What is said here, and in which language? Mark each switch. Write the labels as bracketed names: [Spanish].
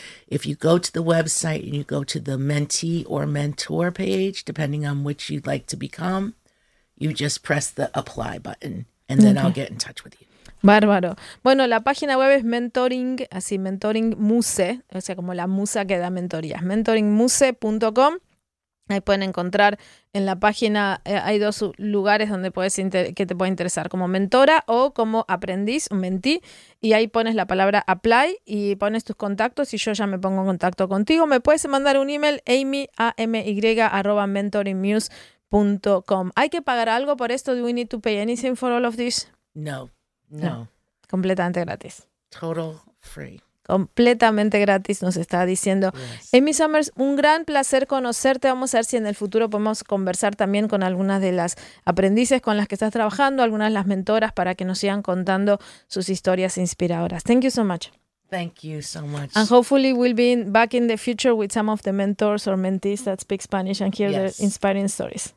[English] If you go to the website and you go to the mentee or mentor page, depending on which you'd like to become, you just press the apply button and then okay. I'll get in touch with you. [Spanish] Bárbaro. Bueno, la página web es Mentoring, así, Mentoring Muse, o sea, como la musa que da mentorías, mentoringmuse.com. Ahí pueden encontrar en la página, hay dos lugares donde puedes que te puede interesar, como mentora o como aprendiz, un mentí, y ahí pones la palabra apply y pones tus contactos y yo ya me pongo en contacto contigo. Me puedes mandar un email, amy@mentoringmuse.com. ¿Hay que pagar algo por esto? [English] ¿Do we need to pay anything for all of this? No. [Spanish] Completamente gratis. [English] Total free. [Spanish] Completamente gratis, nos está diciendo. Yes. Amy Summers, un gran placer conocerte. Vamos a ver si en el futuro podemos conversar también con algunas de las aprendices con las que estás trabajando, algunas de las mentoras, para que nos sigan contando sus historias inspiradoras. [English] Thank you so much. Thank you so much. And hopefully we'll be back in the future with some of the mentors or mentees that speak Spanish and hear yes. their inspiring stories.